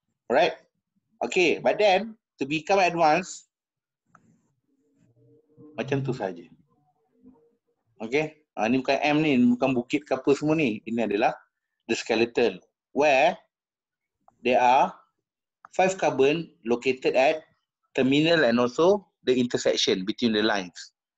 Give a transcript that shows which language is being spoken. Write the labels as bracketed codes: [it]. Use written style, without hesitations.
[en] Alright, okay, but then to become advanced [ms] macam tu saja. Okay. Ini bukan M ni. Bukan bukit ke apa semua ni. Ini adalah [en] the skeleton, where there are 5 carbon located at terminal and also the intersection between the lines.